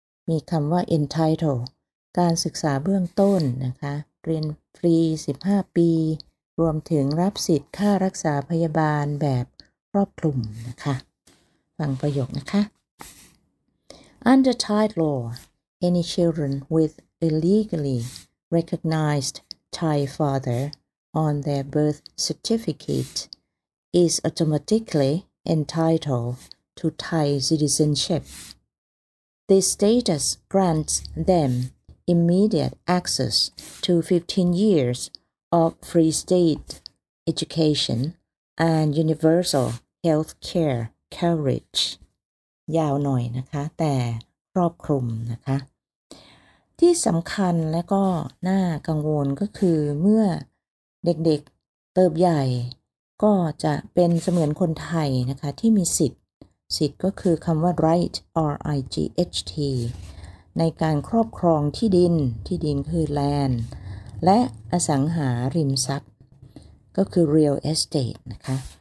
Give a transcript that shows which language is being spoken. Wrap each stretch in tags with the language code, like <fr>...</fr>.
<th>มีคำว่า entitled การศึกษาเบื้องต้นนะคะเรียนฟรี15ปีรวมถึงรับสิทธิ์ค่ารักษาพยาบาลแบบครอบคลุมนะคะฟังประโยคนะคะ</th> <en>Under Thai law, any children with a legally recognized Thai father on their birth certificate is automatically entitled to Thai citizenship. This status grants them immediate access to 15 years of free state education and universal health care coverage.</en> <th>ยาวหน่อยนะคะแต่ครอบคลุมนะคะที่สำคัญและก็น่ากังวลก็คือเมื่อเด็กๆเติบใหญ่ก็จะเป็นเสมือนคนไทยนะคะที่มีสิทธิ์สิทธิ์ก็คือคำว่า right R-I-G-H-T ในการครอบครองที่ดินที่ดินคือ land และอสังหาริมทรัพย์ก็คือ real estate นะคะ</th>